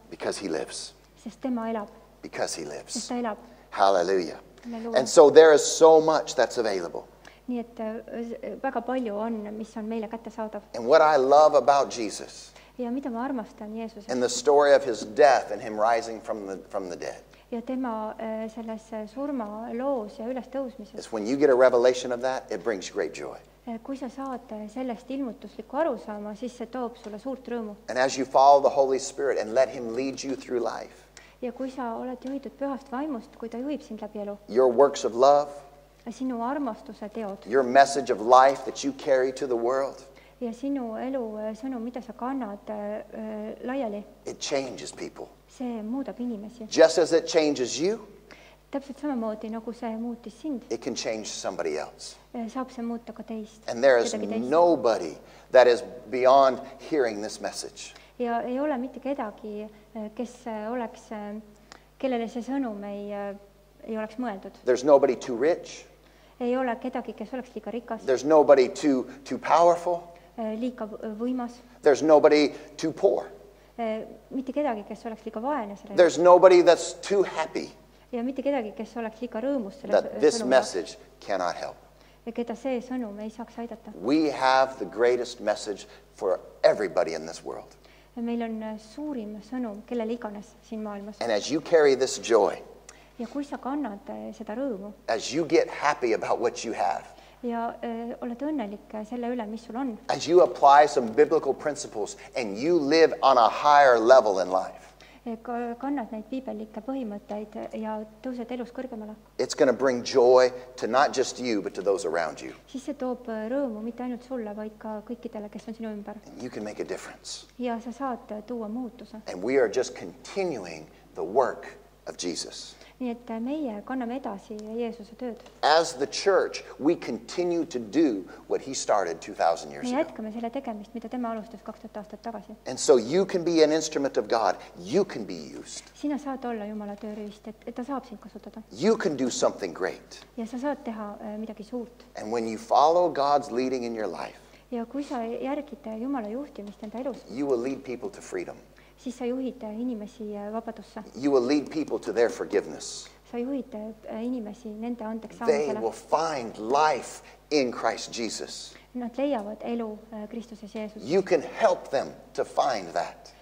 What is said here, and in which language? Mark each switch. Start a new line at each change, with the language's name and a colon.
English: Because he lives.
Estonian: Sest tema elab.
English: Because he lives.
Estonian: Sest ta elab.
English: Hallelujah.
Estonian: Hallelujah.
English: And so there is so much that's available.
Estonian: Nii et väga palju on, mis on meile kätte saadav.
English: And what I love about Jesus.
Estonian: Ja mida ma armastan Jeesusest.
English: And the story of his death and him rising from the dead.
Estonian: Ja tema selles surma loos ja ülestõusmises.
English: It's when you get a revelation of that, it brings great joy.
Estonian: Kui sa saad sellest ilmutuslikku aru saama, siis see toob sulle suurt rõõmu.
English: And as you follow the Holy Spirit and let him lead you through life.
Estonian: Ja kui sa oled juhitud pühast vaimust, kui ta juhib sind läbi elu.
English: Your works of love.
Estonian: Sinu armastuse teod.
English: Your message of life that you carry to the world.
Estonian: Ja sinu elu sõnum, mida sa kannad laiali.
English: It changes people.
Estonian: See muudab inimesi.
English: Just as it changes you.
Estonian: Täpselt samamoodi, nagu see muutis sind.
English: It can change somebody else.
Estonian: Saab see muuta ka teist.
English: And there is nobody that is beyond hearing this message.
Estonian: Ja ei ole mitte kedagi, kes oleks, kellele see sõnum ei oleks mõeldud.
English: There's nobody too rich.
Estonian: Ei ole kedagi, kes oleks liiga rikas.
English: There's nobody too powerful.
Estonian: Liiga võimas.
English: There's nobody too poor.
Estonian: Mitte kedagi, kes oleks liiga vaene selle.
English: There's nobody that's too happy.
Estonian: Ja mitte kedagi, kes oleks liiga rõõmus selle sõnumaks.
English: That this message cannot help.
Estonian: Ja keda see sõnum ei saaks aidata.
English: We have the greatest message for everybody in this world.
Estonian: Ja meil on suurim sõnum, kellele iganes siin maailmas.
English: And as you carry this joy.
Estonian: Ja kui sa kannad seda rõõmu.
English: As you get happy about what you have.
Estonian: Ja oled õnnelik selle üle, mis sul on.
English: As you apply some biblical principles and you live on a higher level in life.
Estonian: Kannad neid biiblilikke põhimõtteid ja tõused elus kõrgemale.
English: It's going to bring joy to not just you, but to those around you.
Estonian: Siis see toob rõõmu mitte ainult sulle, vaid ka kõikidele, kes on sinu ümber.
English: And you can make a difference.
Estonian: Ja sa saad tuua muutuse.
English: And we are just continuing the work of Jesus.
Estonian: Nii et meie kanname edasi Jeesuse tööd.
English: As the church, we continue to do what he started 2,000 years ago.
Estonian: Me jätkame selle tegemist, mida tema alustas 2000 aastat tagasi.
English: And so you can be an instrument of God. You can be used.
Estonian: Sina saad olla Jumala tööriist, et ta saab sind kasutada.
English: You can do something great.
Estonian: Ja sa saad teha midagi suurt.
English: And when you follow God's leading in your life,
Estonian: ja kui sa järgid Jumala juhtimist enda elus,
English: you will lead people to freedom.
Estonian: Siis sa juhid inimesi vabadusse.
English: You will lead people to their forgiveness.
Estonian: Sa juhid inimesi nende andeks saamisele.
English: They will find life in Christ Jesus.
Estonian: Nad leiavad elu Kristuses Jeesus.
English: You can help them to find that.